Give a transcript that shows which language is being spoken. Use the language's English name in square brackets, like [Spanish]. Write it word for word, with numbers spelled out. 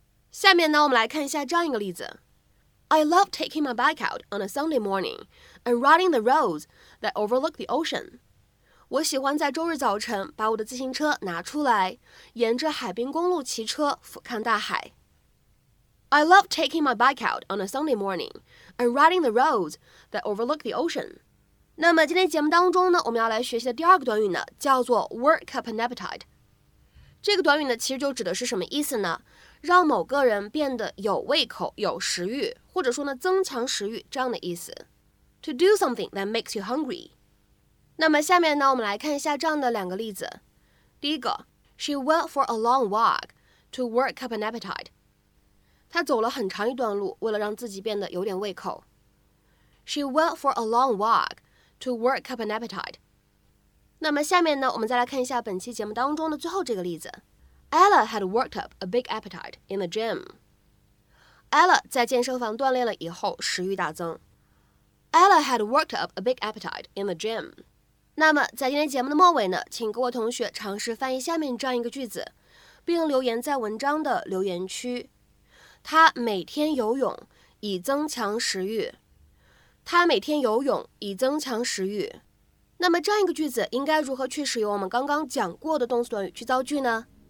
[Chinese] 下面呢，我们来看一下这样一个例子 [English] ：I love taking my bike out on a Sunday morning and riding the roads that overlook the ocean. [Chinese] 我喜欢在周日早晨把我的自行车拿出来，沿着海滨公路骑车，俯瞰大海。 [English] I love taking my bike out on a Sunday morning and riding the roads that overlook the ocean. [Chinese] 那么今天节目当中呢，我们要来学习的第二个短语呢，叫做 [English] work up an appetite。 [Chinese] 这个短语呢，其实就指的是什么意思呢？让某个人变得有胃口、有食欲，或者说呢，增强食欲这样的意思。 [English] To do something that makes you hungry。 [Chinese] 那么下面呢，我们来看一下这样的两个例子。第一个 [English] ，She went for a long walk to work up an appetite。 [Chinese] 她走了很长一段路，为了让自己变得有点胃口。 [English] She went for a long walk to work up an appetite。 [Chinese] 那么下面呢，我们再来看一下本期节目当中的最后这个例子。 [English] Ella had worked up a big appetite in the gym。 [Chinese] Ella 在健身房锻炼了以后，食欲大增。 [English] Ella had worked up a big appetite in the gym。 [Chinese] 那么在今天节目的末尾呢，请各位同学尝试翻译下面这样一个句子，并留言在文章的留言区。他每天游泳以增强食欲。他每天游泳以增强食欲。那么这样一个句子应该如何去使用我们刚刚讲过的动词短语去造句呢？